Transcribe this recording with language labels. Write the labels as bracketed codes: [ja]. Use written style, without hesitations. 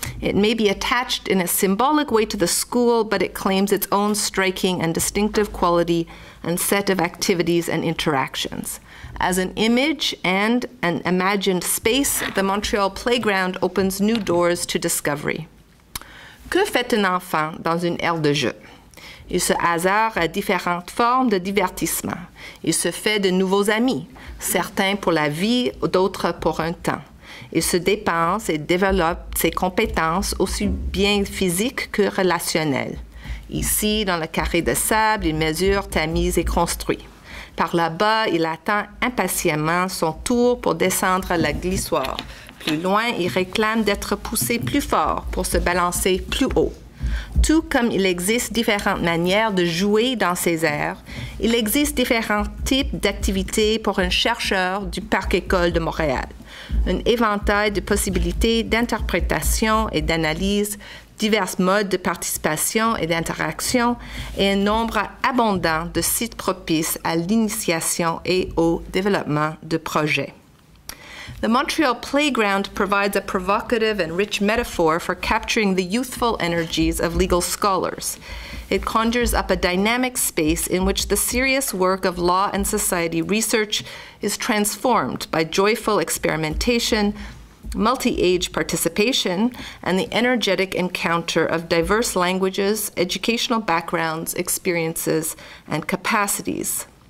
[en] It may be attached in a symbolic way to the school, but it claims its own striking and distinctive quality and set of activities and interactions. As an image and an imagined space, the Montreal Playground opens new doors to discovery. [fr] Que fait un enfant dans une aire de jeu? Il se hasarde à différentes formes de divertissement. Il se fait de nouveaux amis, certains pour la vie, d'autres pour un temps. Il se dépense et développe ses compétences aussi bien physiques que relationnelles. Ici, dans le carré de sable, il mesure, tamise et construit. Par là-bas, il attend impatiemment son tour pour descendre la glissoire. Plus loin, il réclame d'être poussé plus fort pour se balancer plus haut. Tout comme il existe différentes manières de jouer dans ces aires, il existe différents types d'activités pour un chercheur du Parc-École de Montréal. Un éventail de possibilités d'interprétation et d'analyse, divers modes de participation et d'interaction, et un nombre abondant de sites propices à l'initiation et au développement de projets. [en] The Montreal Playground provides a provocative and rich metaphor for capturing the youthful energies of legal scholars. It conjures up a dynamic space in which the serious work of law and society research is transformed by joyful experimentation, multi-age participation, and the energetic encounter of diverse languages, educational backgrounds, experiences, and capacities.